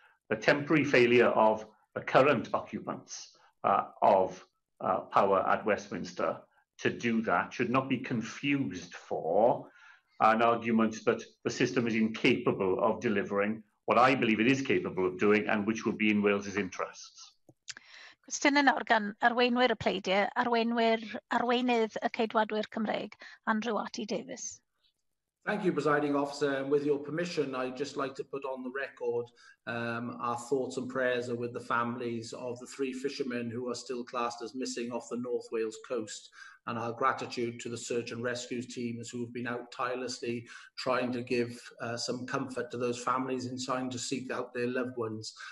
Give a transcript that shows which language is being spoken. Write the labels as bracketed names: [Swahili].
[English] The temporary failure of the current occupants of power at Westminster to do that should not be confused for an argument that the system is incapable of delivering what I believe it is capable of doing and which would be in Wales's interests. [Welsh] Cwestiynau nawr gan arweinwyr y pleidiau, arweinydd y ceidwadwyr Cymreig, Andrew Arty Davies. [English] Thank you, Presiding Officer. And with your permission, I'd just like to put on the record our thoughts and prayers are with the families of the three fishermen who are still classed as missing off the North Wales coast, and our gratitude to the search and rescue teams who have been out tirelessly trying to give some comfort to those families in trying to seek out their loved ones.